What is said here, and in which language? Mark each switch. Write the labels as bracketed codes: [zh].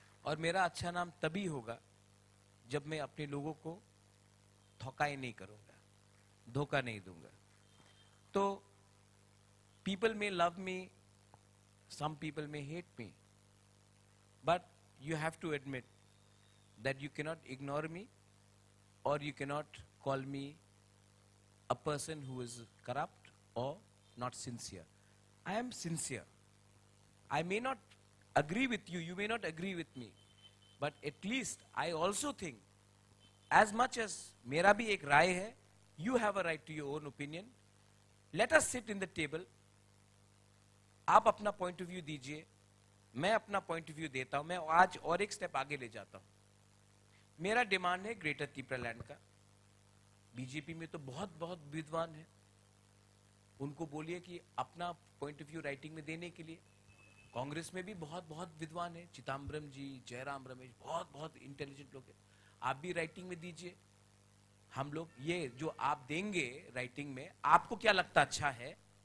[hi] और मेरा अच्छा नाम तभी होगा जब मैं अपने लोगों को थकाई नहीं करूँगा धोखा नहीं दूंगा तो [en] People may love me some people may hate me But you have to admit that you cannot ignore me or you cannot call me a person who is corrupt or not sincere. I am sincere. I may not agree with you, you may not agree with me, but at least I also think as much as [hi] mera bhi ek raay hai, [en] you have a right to your own opinion. Let us sit in the table. [hi] Aap apna point of view dijiye. मैं अपना point of view देता हूं मैं आज और एक step आगे ले जाता हूं मेरा डिमांड है ग्रेटर त्रिपुरा लैंड का बीजेपी में तो बहुत बहुत विद्वान है उनको बोलिए कि अपना पॉइंट ऑफ व्यू राइटिंग में देने के लिए कांग्रेस में भी बहुत बहुत विद्वान है चिदंबरम जी जयराम रमेश बहुत बहुत इंटेलिजेंट लोग हैं आप भी राइटिंग में दीजिए हम लोग ये जो आप देंगे राइटिंग में आपको क्या लगता अच्छा है